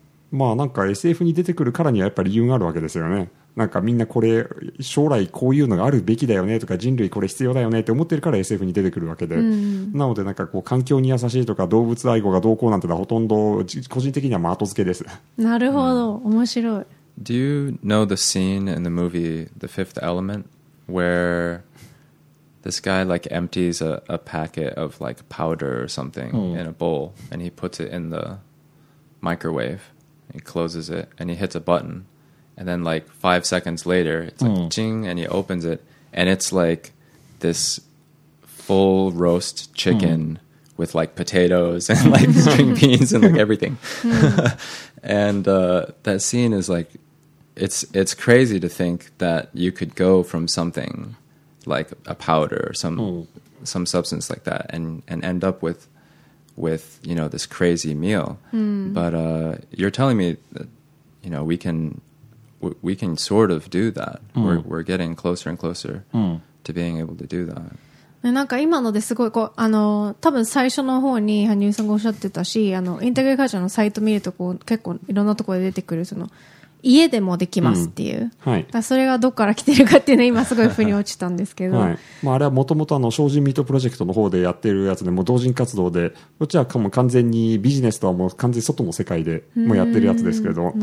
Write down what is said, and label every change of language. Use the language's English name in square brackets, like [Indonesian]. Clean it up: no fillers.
[Japanese] まあなんか SF に出てくるからにはやっぱり理由があるわけですよね。なんかみんなこれ将来こういうのがあるべきだよねとか人類これ必要だよねって思ってるから SF に出てくるわけで、なのでなんかこう環境に優しいとか動物愛護がどうこうなんてのはほとんど個人的にはまあ後付けです。なるほど、面白い。 [English] Do you know the scene in the movie The Fifth Element where this guy like empties a packet of like powder or something in a bowl and he puts it in the microwave and closes it and he hits a buttonAnd then like 5 seconds later, it's like ching, and he opens it. And it's like this full roast chicken with like potatoes and like string beans and like everything. And that scene is like, it's crazy to think that you could go from something like a powder or some substance like that and end up with, you know, this crazy meal. But you're telling me that, you know, we can sort of do that. We're getting closer and closer to being able to do that. [Japanese] なんか今のですごいこう、あの、多分最初の方に羽生さんがおっしゃってたし、あの、インテグレカルチャーのサイト見るとこう、結構いろんなところで出てくる、その、家でもできますっていう。はい。だからそれがどっから来てるかっていうのは今すごい腑に落ちたんですけど。はい。まああれはもともとあの、精進ミートプロジェクトの方でやってるやつで、もう同人活動で、どちらかも完全にビジネスとはもう完全に外の世界でもうやってるやつですけど。